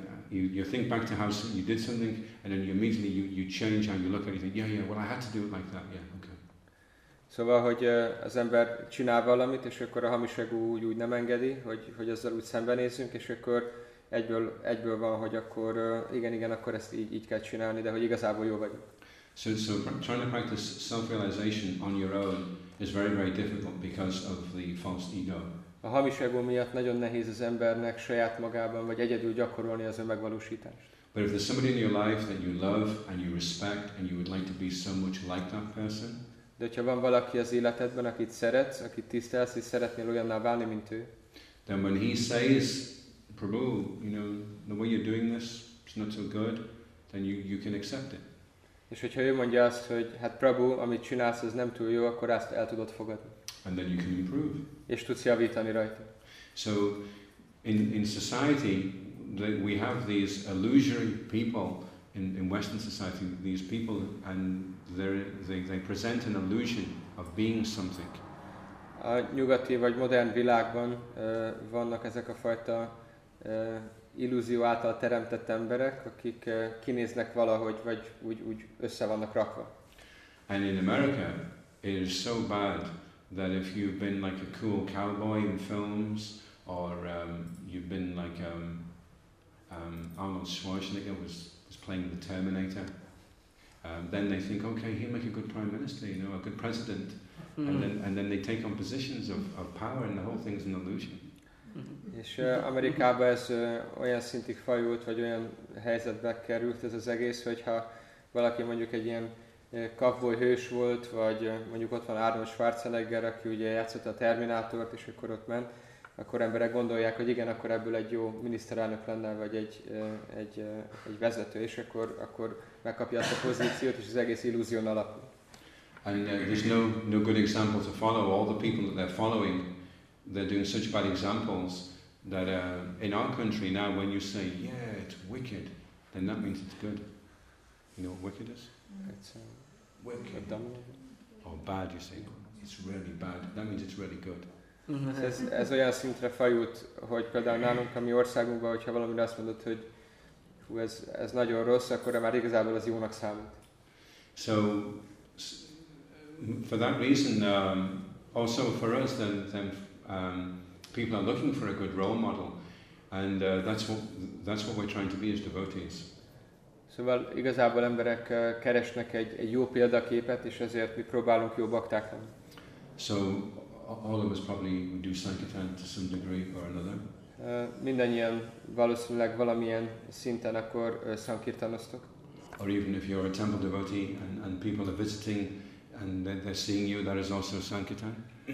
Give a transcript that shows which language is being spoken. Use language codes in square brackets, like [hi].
[en] You think back to how you did something, and then you immediately you change how you look at it. Yeah. Well, I had to do it like that. Yeah. Okay. [hu] Szóval, hogy az ember csinál valamit, és akkor a hamiságú úgy nem engedi, hogy azzal úgy szembenézünk, és akkor egyből van, hogy akkor igen, akkor ezt így kell csinálni, de hogy igazából jó vagyok. [en] So trying to practice self-realization on your own is very, very difficult because of the false ego. [hu] A hamis ego miatt nagyon nehéz az embernek saját magában vagy egyedül gyakorolni az önmegvalósítást. [en] But if there's somebody in your life that you love and you respect and you would like to be so much like that person. [hu] De ha van valaki az életedben, akit szeretsz, akit tisztelsz, és szeretnél olyanná válni, mint ő. [en] Then when he says, Prabhu, you know, the way you're doing this is not so good, then you can accept it. [hu] És hogyha ő mondja azt, hogy hát Prabhu, amit csinálsz, ez nem túl jó, akkor azt el tudod fogadni. [en] And then you can improve. [hu] És tudsz javítani rajta. [en] So in society we have these illusory people in Western society, these people, and they present an illusion of being something. [hu] A nyugati vagy modern világban vannak ezek a fajta illúzió által teremtett emberek, akik kinéznek valahogy, vagy úgy össze vannak rakva. [en] And in America, it is so bad that if you've been like a cool cowboy in films, or you've been like Arnold Schwarzenegger was playing the Terminator, then they think, okay, he'll make a good prime minister, you know, a good president, and then they take on positions of power, and the whole thing is an illusion. [hu] És Amerikában ez olyan szintig fajult, vagy olyan helyzetbe került ez az egész, hogyha valaki mondjuk egy ilyen cowboy hős volt, vagy mondjuk ott van Arnold Schwarzenegger, aki ugye játszott a Terminátort, és akkor ott ment, akkor emberek gondolják, hogy igen, akkor ebből egy jó miniszterelnök lenne, vagy egy vezető, és akkor megkapja azt a pozíciót, és az egész illúzión alapul. [en] And there's no good example to follow. All the people that they're following, they're doing such bad examples that in our country now, when you say, yeah, it's wicked, then that means it's good. You know what wicked is? It's wicked. Or bad, you say. It's really bad. That means it's really good. [hu] ez olyan szintre fajult, hogy például nálunk a mi országunkban, hogyha valamire azt mondod, hogy hú, ez nagyon rossz, akkor már igazából az jónak számít. [en] So, for that reason, also for us, then people are looking for a good role model, and that's what we're trying to be as devotees. [hu] Szóval igazából emberek keresnek egy jó példaképet, és ezért mi próbálunk jó bakták lenni. [en] So all of us probably do sankirtan to some degree or another. [hu] Mindannyian valószínűleg valamilyen szinten akkor sankirtanoztok. [en] Or even if you're a temple devotee and people are visiting and they're seeing you, that is also sankirtan.